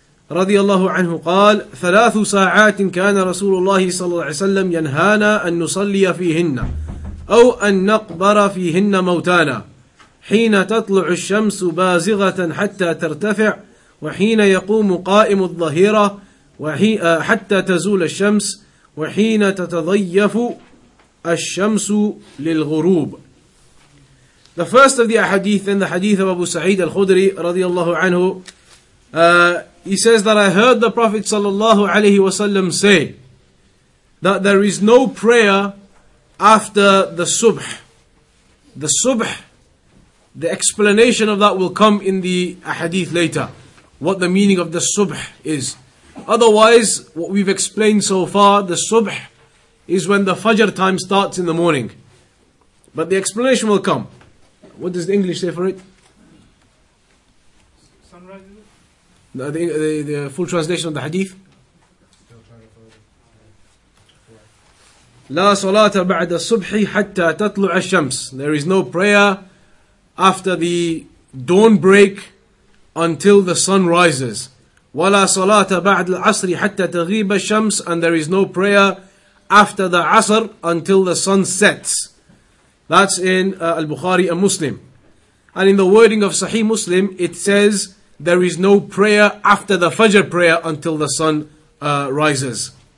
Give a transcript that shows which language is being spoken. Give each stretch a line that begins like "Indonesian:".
Arabic: رضي الله عنه قال ثلاث ساعات كان رسول الله صلى الله عليه وسلم ينهانا أن نصلي فيهن أو أن نقبر فيهن موتانا حين تطلع الشمس بازغة حتى ترتفع وحين يقوم قائم الظهيرة حتى تزول الشمس وحين تتضيف الشمس للغروب.
English: The first of the ahadith, in the hadith of Abu Sa'id al-Khudri رضي الله عنه, he says that I heard the Prophet صلى الله عليه وسلم say that there is no prayer after the subh. The subh, the explanation of that will come in the ahadith later, what the meaning of the subh is. Otherwise, what we've explained so far, the subh is when the fajr time starts in the morning. But the explanation will come. What does the English say for it? Sunrise, is it? The full translation of the hadith?
Arabic: La salata ba'da subhi hatta tatlu'a shams.
English: There is no prayer after the dawn break until the sun rises.
Arabic: ولا صلاة بعد العصر حتى تغيب الشمس.
English: And there is no prayer after the عصر until the sun sets. That's in Al-Bukhari and Muslim. And in the wording of Sahih Muslim, it says there is no prayer after the Fajr prayer until the sun rises.